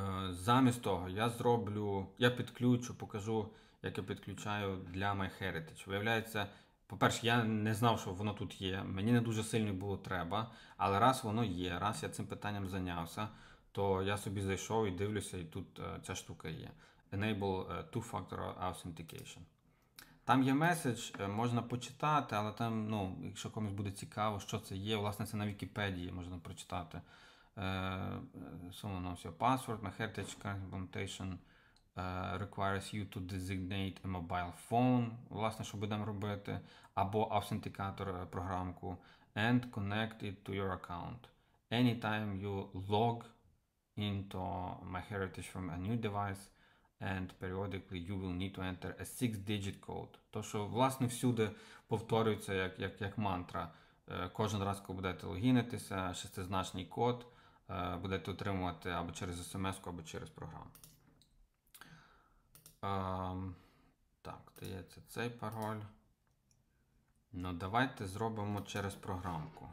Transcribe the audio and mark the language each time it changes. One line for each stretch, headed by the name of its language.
Ukrainian: замість того я зроблю, я підключу, покажу, як я підключаю для MyHeritage. Виявляється, по-перше, я не знав, що воно тут є. Мені не дуже сильно було треба. Але раз воно є, раз я цим питанням зайнявся, то я собі зайшов і дивлюся, і тут ця штука є.
English: Enable two-factor authentication.
Ukrainian: Там є меседж, можна почитати, але там, ну, якщо комусь буде цікаво, що це є, власне, це на Вікіпедії можна прочитати.
English: Someone knows your password. MyHeritage implementation requires you to designate a mobile phone.
Ukrainian: Власне, що будемо робити, або автентикатор програмку,
English: and connect it to your account. Anytime you log into MyHeritage from a new device, and periodically you will need to enter a six-digit code.
Ukrainian: То, що, власне, всюди повторюється як мантра. Кожен раз, коли будете логінитися, шестизначний код. Будете отримувати або через смс-ку, або через програму. Так, здається, цей пароль. Ну, давайте зробимо через програмку.